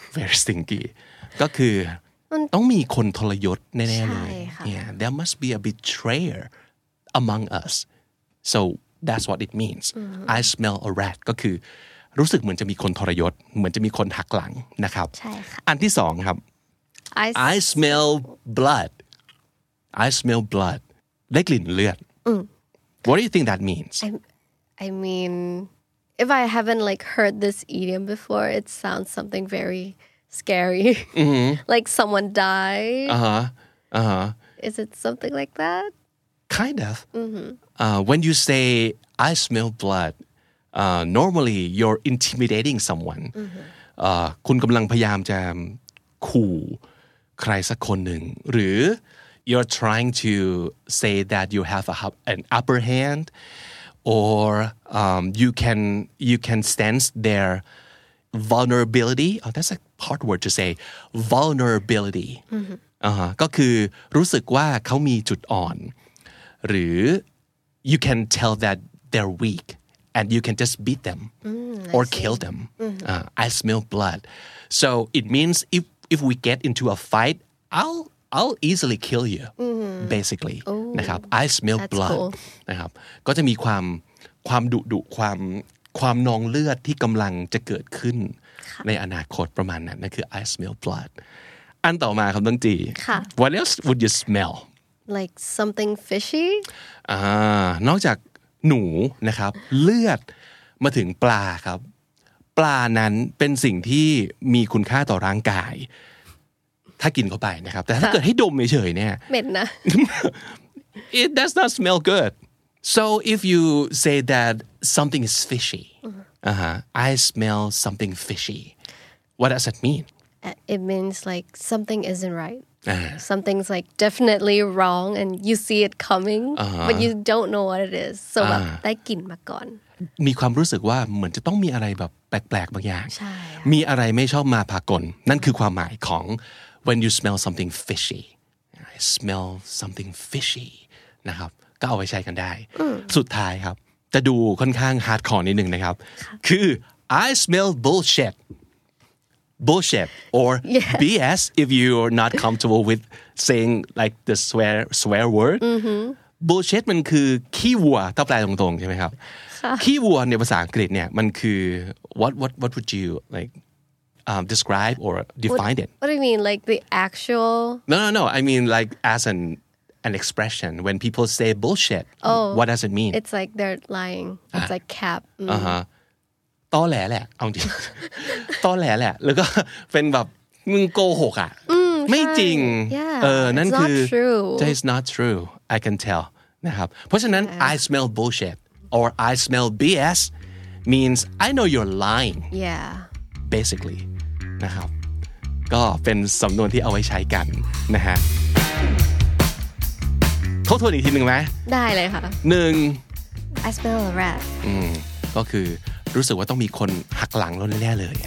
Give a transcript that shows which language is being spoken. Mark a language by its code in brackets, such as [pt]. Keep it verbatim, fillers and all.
[en] very stinky [th] ก็คือ มัน ต้องมีคนทรยศแน่ๆเลย ใช่ค่ะ [en] yeah there must be a betrayer among us so that's what it means I smell a rat [th] ก็คือรู้สึกเหมือนจะมีคนทรยศเหมือนจะมีคนหักหลังนะครับ ใช่ค่ะ อันที่สองครับ [en] I I smell blood I smell blood [th] ได้กลิ่นเลือด [en] what do you think that means I'm- I mean, if I haven't like heard this idiom before, it sounds something very scary. Like someone died อ่าฮะ Uh-huh. Is it something like that? Kind of. Mm-hmm. Uh, when you say, I smell blood, uh, normally you're intimidating someone. Mm-hmm. Uh, [th] คุณกำลังพยายามจะขู่ใครสักคนหนึ่งหรือ [en] you're trying to say that you have a, an upper hand or um, you can you can sense their vulnerability. Oh, that's a hard word to say. Vulnerability. Mm-hmm. [th] อ่าก็คือรู้สึกว่าเขามีจุดอ่อนหรือ [en] you can tell that they're weak and you can just beat them Mm, I or see. kill them. Uh, I smell blood. So it means if if we get into a fight, I'll I'll easily kill you. Basically, นะครับ I smell that's blood. cool. [th] นะครับก็จะมีความความดุดุความความนองเลือดที่กำลังจะเกิดขึ้นในอนาคตประมาณนั้นนั่นคือ [en] I smell blood [th] อันต่อมาครับน้องจี ค่ะ [en] What else would you smell? Like something fishy? [th] อ่านอกจากหนูนะครับ เลือดมาถึงปลาครับ ปลานั้นเป็นสิ่งที่มีคุณค่าต่อร่างกาย ถ้ากินเข้าไปนะครับ แต่ถ้าเกิดให้ดมเฉยๆเนี่ย เหม็นนะ [en] it does not smell good. So if you say that something is fishy, uh-huh, I smell something fishy. What does that mean? It means like something isn't right. อ่า Something's like definitely wrong and you see it coming, but you don't know what it is. [th] So แบบได้กลิ่นมาก่อน มีความรู้สึกว่าเหมือนจะต้องมีอะไรแบบแปลกๆบางอย่าง ใช่ค่ะ มีอะไรไม่ชอบมาพากลนั่นคือความหมายของ [en] when you smell something fishy [th] I smell something fishy นะครับก็เอาไว้ใช้กันได้ สุดท้ายครับ จะดูค่อนข้างฮาร์ดคอร์นิดนึงนะครับ คือ [en] I smell bullshit bullshit or B S if you're not comfortable with saying like the swear swear word bullshit [th] มันคือขี้วัวถ้าแปลตรงๆใช่ไหมครับขี้วัวในภาษาอังกฤษเนี่ยมันคือ [en] what what what would you like um, describe or define it What do you mean? Like the actual... no no no I mean like as an an expression when people say bullshit Oh. what does it mean It's like they're lying. It's like cap. Mm. [th] อ่าฮะตอแหลแหละเอาจริง ตอแหลแหละแล้วก็ เป็นแบบมึงโกหกอ่ะไม่จริง [en] Yeah. [th] เออนั่น [en] It's not [th] คือ [en] true. that is not true I can tell [th] นะครับเพราะฉะนั้น [en] I smell bullshit or I smell บี เอส means I know you're lying Yeah. [th] basically นะครับก็เป็นสำนวนที่เอาไว้ใช้กันนะฮะทบทวนอีกทีหนึ่งไหม ได้เลยค่ะ หนึ่ง [en] I smell a rat. [th] อืมก็คือรู้สึกว่าต้องมีคนหักหลังเราแน่ๆเลย